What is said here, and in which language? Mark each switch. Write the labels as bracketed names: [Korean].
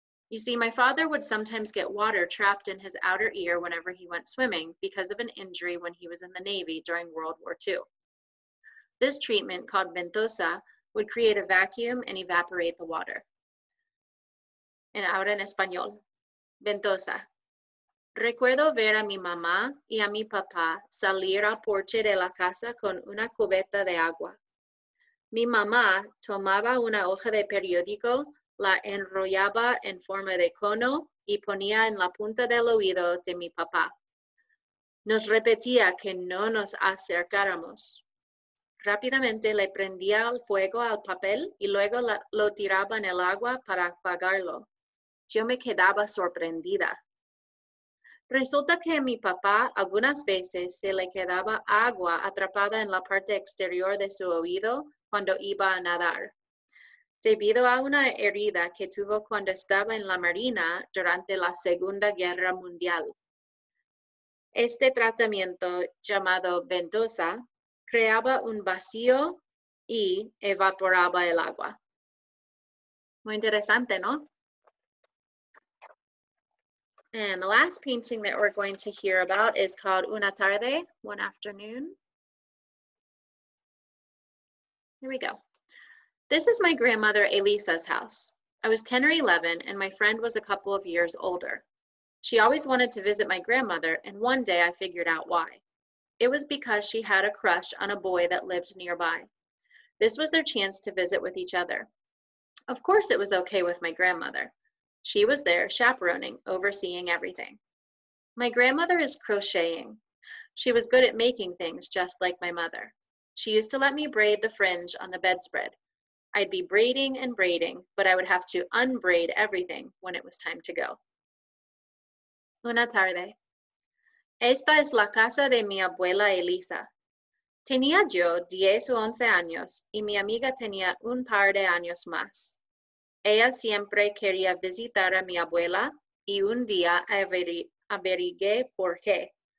[English] You see, my father would sometimes get water trapped in his outer ear whenever he went swimming because of an injury when he was in the Navy during World War II. This treatment, called Ventosa, would create a vacuum and evaporate the water. [Spanish] And ahora en español, Ventosa. Recuerdo ver a mi mamá y a mi papá salir al porche de la casa con una cubeta de agua. Mi mamá tomaba una hoja de periódico, la enrollaba en forma de cono y ponía en la punta del oído de mi papá. Nos repetía que no nos acercáramos. Rápidamente le prendía el fuego al papel y luego lo tiraba en el agua para apagarlo. Yo me quedaba sorprendida. Resulta que mi papá algunas veces se le quedaba agua atrapada en la parte exterior de su oído cuando iba a nadar. Debido a una herida que tuvo cuando estaba en la marina durante la Segunda Guerra Mundial. Este tratamiento, llamado Ventosa, creaba un vacío y evaporaba el agua. Muy interesante, ¿no? [English] And the last painting that we're going to hear about is called Una Tarde, One Afternoon. Here we go. This is my grandmother Elisa's house. I was 10 or 11 and my friend was a couple of years older. She always wanted to visit my grandmother and one day I figured out why. It was because she had a crush on a boy that lived nearby. This was their chance to visit with each other. Of course it was okay with my grandmother. She was there chaperoning, overseeing everything. My grandmother is crocheting. She was good at making things just like my mother. She used to let me braid the fringe on the bedspread. I'd be braiding and braiding, but I would have to unbraid everything when it was time to go. [Spanish] Una tarde. Esta es la casa de mi abuela Elisa. Tenía yo 10 o 11 años y mi amiga tenía un par de años más. Ella siempre quería visitar a mi abuela y un día averigué por qué.